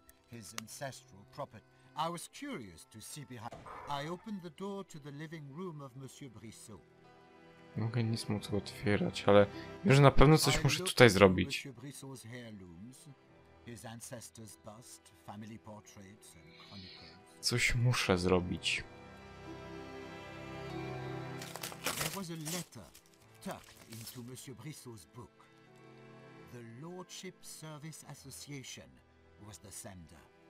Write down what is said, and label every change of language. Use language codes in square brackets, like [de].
[en] His ancestral property. I was curious to see behind. I opened the door to the living room of Monsieur Brissot. [pl] Nie mogę nic móc otwierać, ale wiem, że na pewno coś muszę tutaj zrobić. [en] Monsieur Brissot's heirlooms, his ancestors' bust, family portraits and chronicles. [pl] Coś muszę zrobić. [en] There was a letter tucked into Monsieur Brissot's book. The Lordship Service Association was the sender.